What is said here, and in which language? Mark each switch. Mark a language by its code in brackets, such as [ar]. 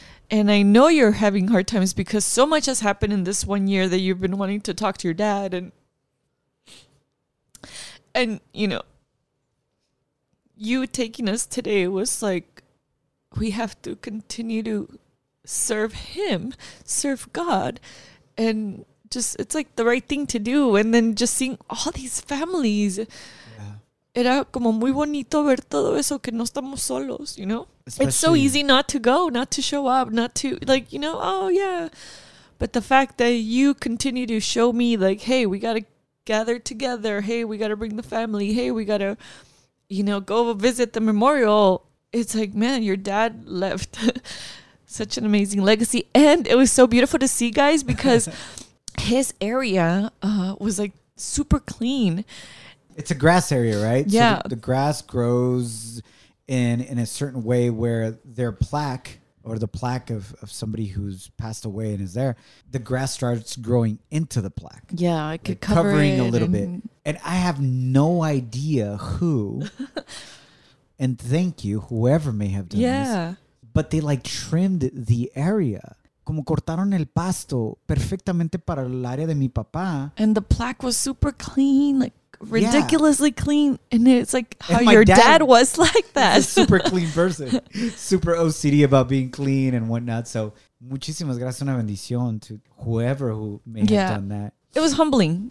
[en] And I know you're having hard times because so much has happened in this 1 year that you've been wanting to talk to your dad, and you know, you taking us today was like, we have to continue to serve him, serve God. And just, it's like the right thing to do. And then just seeing all these families. Yeah. [es] Era como muy bonito ver todo eso, que no estamos solos, [en] you know? Especially, it's so easy not to go, not to show up, not to, like, you know, oh, yeah. But the fact that you continue to show me, like, hey, we got to gather together. Hey, we got to bring the family. Hey, we got to, you know, go visit the memorial. It's like, man, your dad left such an amazing legacy. And it was so beautiful to see, guys, because his area was like super clean. It's a grass area, right? Yeah. So the grass grows in a certain way where their plaque, or the plaque of somebody who's passed away and is there, the grass starts growing into the plaque. Yeah, I could, like, cover covering it a little bit. And I have no idea who, and thank you, whoever may have done this, but they like trimmed the area. [es] Como cortaron el pasto perfectamente para el área de mi papá. [en] And the plaque was super clean, like, ridiculously clean. And it's like how your dad was like that. Super clean person. Super OCD about being clean and whatnot. So, [es] muchísimas gracias, una bendición [en] to whoever who may have done that. It was humbling.